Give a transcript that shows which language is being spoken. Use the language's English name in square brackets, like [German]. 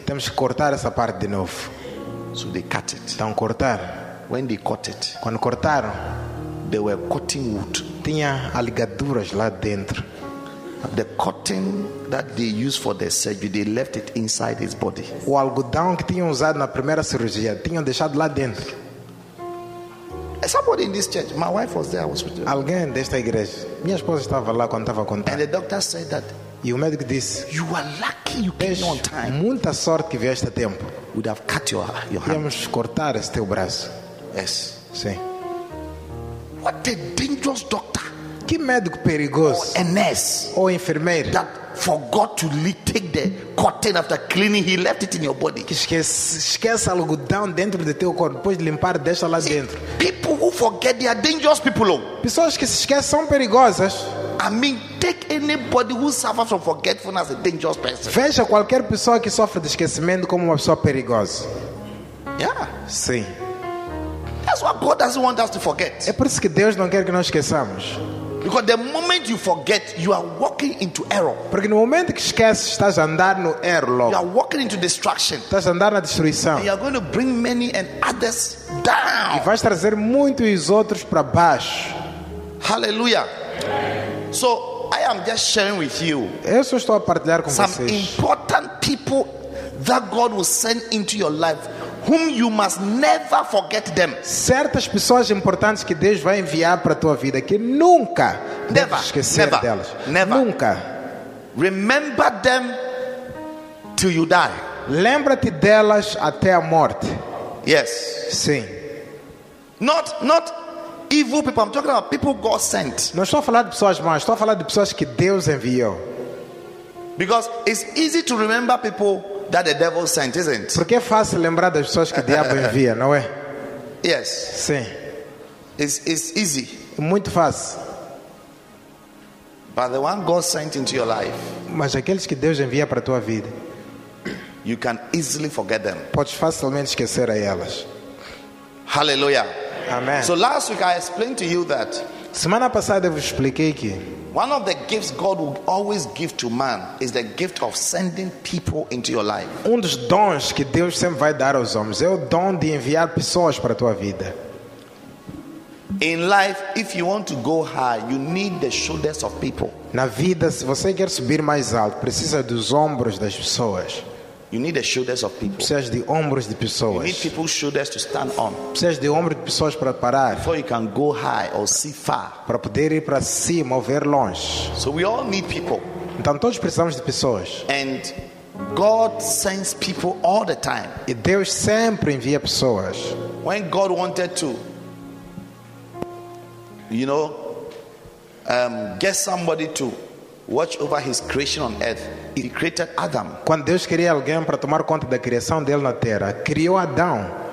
[Portuguese] Temos que cortar essa parte de novo. [English] So they cut it. [Portuguese] Então cortaram. [English] When they cut it, [Portuguese] quando cortaram, [English] they were cutting wood. [Portuguese] Tinha alegaduras lá dentro. [English] The cotton that they used for the surgery, they left it inside his body. [Portuguese] O algodão que tinham usado na primeira cirurgia, tinham deixado lá dentro. [English] Somebody in this church, my wife was there. I was with you. [Portuguese] Alguém desta igreja, minha esposa estava lá quando estava contando. [English] And the doctor said that. [Portuguese] E o médico disse, [English] you are lucky you came on time. [Portuguese] Muita sorte que vieste a tempo. [English] Would have cut your hand. [Portuguese] Iamos cortar este teu braço. [English] Yes. [Portuguese] Sim. [English] What a dangerous doctor. [Portuguese] Que médico perigoso. [English] Or a nurse. [Portuguese] Ou enfermeira. [English] That forgot to take the cotton after cleaning, he left it in your body. [Portuguese] Que esquece algodão dentro do teu corpo, depois de limpar, deixa lá dentro. [English] See, people who forget, they are dangerous people. Oh. [Portuguese] Pessoas que se esquecem são perigosas. [English] I mean, take anybody who suffers from forgetfulness as a dangerous person. [Portuguese] Veja qualquer pessoa que sofre de esquecimento como uma pessoa perigosa. [English] Yeah. [Portuguese] Sim. [English] That's what God doesn't want us to forget. [Portuguese] É por isso que Deus não quer que nós esqueçamos. [English] Because the moment you forget, you are walking into error. [Portuguese] Porque no momento que esqueces, estás a andar no erro logo. [English] You are walking into destruction. [Portuguese] Estás a andar na destruição. [English] You are going to bring many and others down. [Portuguese] E vais trazer muitos e outros para baixo. [English] Hallelujah. So I am just sharing with you. [Portuguese] Eu só estou a partilhar com [English] some [Portuguese] vocês. [English] Important people that God will send into your life, whom you must never forget them. [Portuguese] Certas pessoas importantes que Deus vai enviar para a tua vida que nunca [English] never, [Portuguese] esquecer [English] never, [Portuguese] delas. [English] Never. [Portuguese] Nunca. [English] Remember them till you die. [Portuguese] Lembra-te delas até a morte. [English] Yes. [Portuguese] Sim. [English] Not evil people. I'm talking about people God sent. [Portuguese] Não estou a falar de pessoas más, estou a falar de pessoas que Deus enviou. [English] Because it's easy to remember people that the devil sent, isn't it? [Portuguese] Porque é fácil lembrar das pessoas que o diabo envia, não é? [English] Yes. [Portuguese] Sim. [English] It's easy. [Portuguese] Muito fácil. [English] But the one God sent into your life. [Portuguese] Mas aqueles que Deus envia para a tua vida. [English] You can easily forget them. [Portuguese] Podes facilmente esquecer a elas. [English] Hallelujah. [Portuguese] Amen. [English] So last week I explained to you that. [Portuguese] Semana passada eu vos expliquei que [English] one of the gifts God will always give to man is the gift of sending people into your life. [Portuguese] Um dos dons que Deus sempre vai dar aos homens é o dom de enviar pessoas para a tua vida. [English] In life, if you want to go high, you need the shoulders of people. [Portuguese] Na vida, se você quer subir mais alto, precisa dos ombros das pessoas. [English] You need the shoulders of people. [Portuguese] Precisa de ombros de pessoas. [English] You need people's shoulders to stand on. [Portuguese] Precisa de ombros de pessoas para parar. [English] Before you can go high or see far. [Portuguese] Para poder ir para cima ou ver longe. [English] So we all need people. [Portuguese] Então todos precisamos de pessoas. [English] And God sends people all the time. [Portuguese] E Deus sempre envia pessoas. [English] When God wanted to, you know, get somebody to watch over his creation on earth, he created Adam. [Portuguese] Quando Deus queria alguém para tomar conta da criação dele na terra, criou Adão.